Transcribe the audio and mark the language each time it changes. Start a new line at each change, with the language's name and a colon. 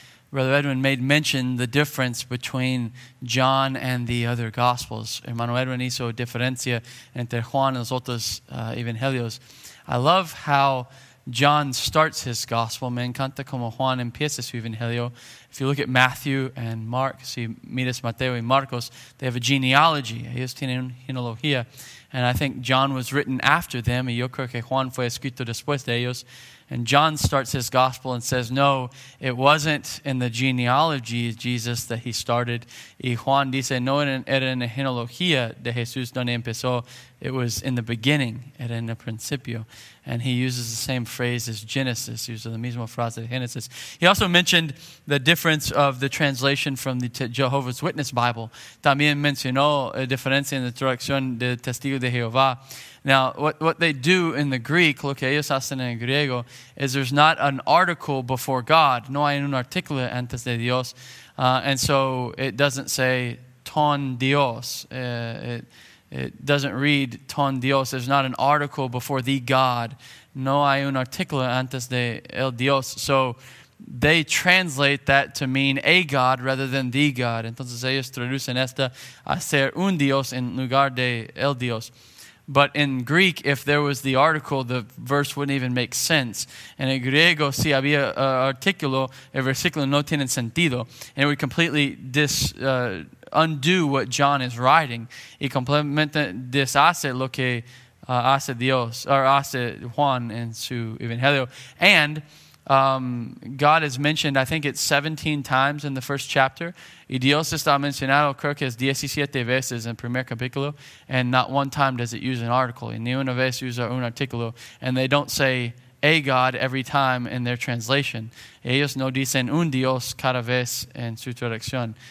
English: Brother Edwin made mention the difference between John and the other Gospels.
Spanish: Hermano Edwin hizo diferencia entre Juan y los otros evangelios.
English: I love how John starts his Gospel.
Spanish: Me encanta como Juan empieza su evangelio.
English: If you look at Matthew and Mark,
Spanish: si miras Mateo y Marcos,
English: they have a genealogy.
Spanish: Ellos tienen una genealogía.
English: And I think John was written after them,
Spanish: y yo creo que Juan fue escrito después de ellos.
English: And John starts his gospel and says, no, it wasn't in the genealogy of Jesus that he started.
Spanish: Y Juan dice, no, era en la genealogía de Jesús donde empezó.
English: It was in the beginning,
Spanish: era en el principio.
English: And he uses the same phrase as Genesis, he uses the
Spanish: mismo
English: frase as Genesis. He also mentioned the difference of the translation from the Jehovah's Witness Bible.
Spanish: También mencionó la diferencia en la traducción de Testigo de Jehová.
English: Now, what they do in the Greek,
Spanish: lo que ellos hacen en griego,
English: is there's not an article before God.
Spanish: No hay un artículo antes de Dios.
English: And so it doesn't say ton Dios. It doesn't read ton Dios. There's not an article before the God.
Spanish: No hay un artículo antes de el Dios.
English: So they translate that to mean a God rather than the God.
Spanish: Entonces ellos traducen esta a ser un Dios en lugar de el Dios.
English: But in Greek, if there was the article, the verse wouldn't even make sense. And in
Spanish: griego, si había artículo, el versículo no tiene sentido.
English: And it would completely undo what John is writing.
Spanish: Y completamente deshace lo que hace Dios,
English: or
Spanish: hace Juan en su evangelio.
English: And God is mentioned, I think it's 17 times in the first chapter.
Spanish: Y Dios está mencionado, creo que es 17 veces en primer capítulo.
English: And not one time does it use an article.
Spanish: Y ni una vez usa un artículo.
English: And they don't say a God every time in their translation.
Spanish: Ellos no dicen un Dios cada vez en su traducción.